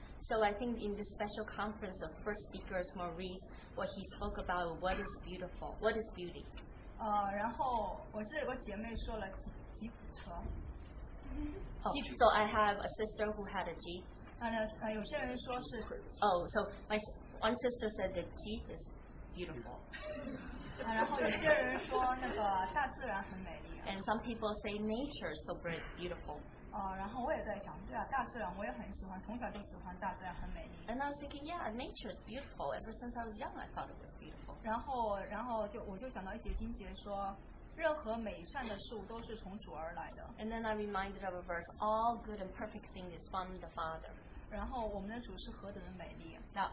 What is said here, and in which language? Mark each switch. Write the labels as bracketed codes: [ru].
[en] So I think in this special conference, the first speaker is Maurice. What he spoke about, what is beautiful, what is beauty? [zh] 然后我这有个姐妹说了吉普车。 [en] So I have a sister who had a Jeep. [zh] 有些人说是。 [en] Oh, so my one sister said that Jeep is beautiful. [zh] 然后有些人说那个大自然很美丽。 [en] And some people say nature is so great, beautiful. [zh] 然后我也在想，对啊，大自然我也很喜欢，从小就喜欢大自然，很美丽。 [en] And I was thinking, yeah, nature is beautiful. Ever since I was young, I thought it was beautiful. [zh] 然后我就想到一节经节说，任何美善的事物都是从主而来的。 [en] And then I reminded of a verse: all good and perfect things is from the Father. [zh] 然后我们的主是何等的美丽。 [en] Now